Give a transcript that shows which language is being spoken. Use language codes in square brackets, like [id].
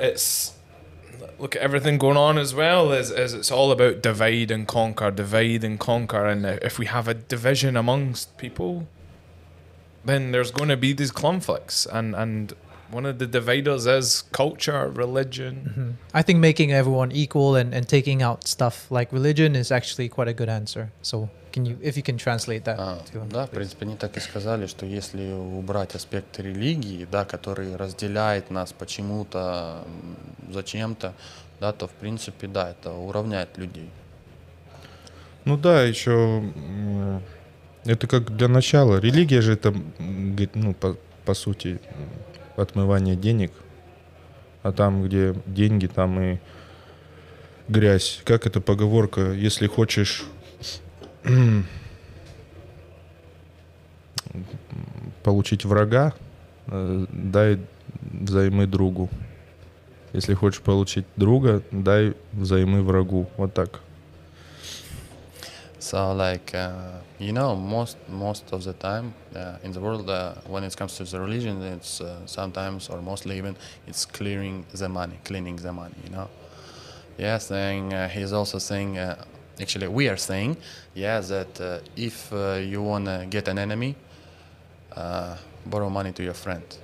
[en] It's, look at everything going on as well, as it's all about divide and conquer, and if we have a division amongst people, then there's going to be these conflicts, and one of the dividers is culture, religion. Mm-hmm. I think making everyone equal and taking out stuff like religion is actually quite a good answer. So if you can translate that. [ru] Да, в принципе, они так и сказали, что если убрать аспект религии, да, который разделяет нас почему-то, зачем-то, да, то в принципе, да, это уравняет людей. Ну да, еще это как для начала. Религия же это, ну, по сути, отмывание денег, а там, где деньги, там и грязь. Как эта поговорка? Если хочешь получить врага, дай взаймы другу. Если хочешь получить друга, дай взаймы врагу. Вот так. [en] So, like, you know, most of the time in the world, when it comes to the religion, it's sometimes, or mostly even, it's cleaning the money, you know? Yes, and he's also saying, actually, we are saying, yes, that if you want to get an enemy, borrow money to your friend.